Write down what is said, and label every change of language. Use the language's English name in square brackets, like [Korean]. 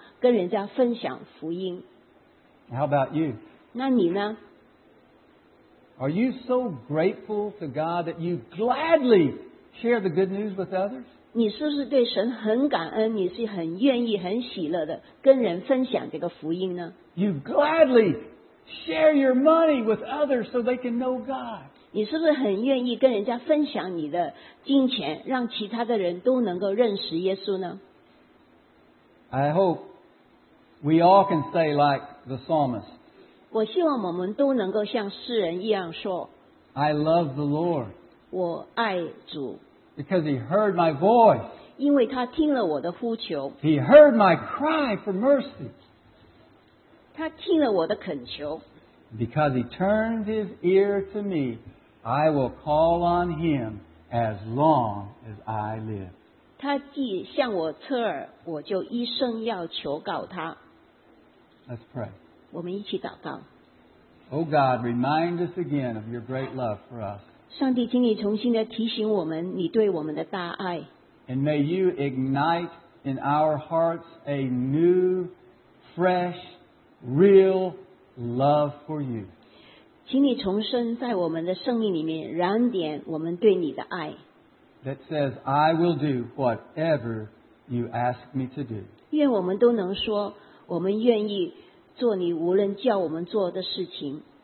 [Chinese] 所以就是我们碰到他的时候，他已经八十多岁了，他仍旧在那个城市，他为神做见证。他说：“我是很喜乐、很快乐的住在这个地方，跟人家分享福音。” [English] How about you? [Chinese] 那你呢？ [English] Are you so grateful to God that you gladly share the good news with others? [Chinese] 你是不是对神很感恩？你是很愿意、很喜乐的跟人分享这个福音呢？ [English] You gladly share your money with others so they can know God. [Chinese] 你是不是很愿意跟人家分享你的金钱，让其他的人都能够认识耶稣呢？ [English] I hope we all can say like the psalmist. [Chinese] 我希望我们都能够像诗人一样说, [English] I love the Lord. [Chinese] 我爱主, [English] because he heard my voice. [Chinese] 因为他听了我的呼求, [English] he heard my cry for mercy. Because he turned his ear to me, I will call on him as long as I live. [Chinese] 他既向我侧耳, [English] Let's pray. [Chinese] 我们一起祷告。 [English] Oh God, remind us again of your great love for us. [Chinese] 上帝，请你重新的提醒我们你对我们的大爱。 [English] And may you ignite in our hearts a new, fresh, real love for you. [Chinese] 请你重生在我们的生命里面燃点我们对你的爱。 [English] That says, I will do whatever you ask me to do. [Chinese] 愿我们都能说，我们愿意做你无论叫我们做的事情。